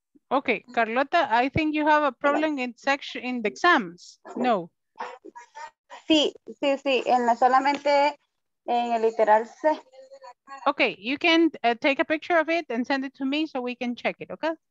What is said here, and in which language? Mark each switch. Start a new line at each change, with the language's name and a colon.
English: Okay, Carlota, I think you have a problem in section in the exams. No.
Spanish: Sí, sí, sí, en la solamente en el literal C.
English: Okay, you can take a picture of it and send it to me so we can check it, okay?